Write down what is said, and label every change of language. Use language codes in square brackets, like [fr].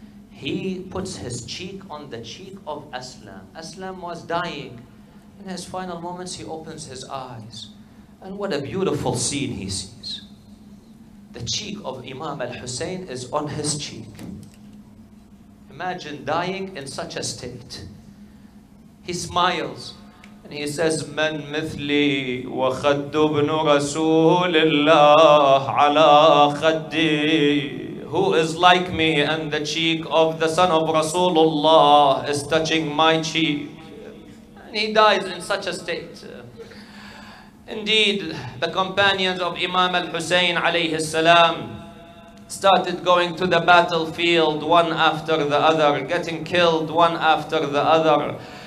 [en] He puts his cheek on the cheek of Aslam. Aslam was dying. In his final moments, he opens his eyes. And what a beautiful scene he sees. The cheek of Imam al-Hussein is on his cheek. Imagine dying in such a state. He smiles and he says, [ar] من مثلي وخد ابن رسول الله على خدي. [en] Who is like me and the cheek of the son of Rasulullah is touching my cheek. And he dies in such a state. Indeed, the companions of Imam al-Hussein alayhi salam started going to the battlefield one after the other, getting killed one after the other.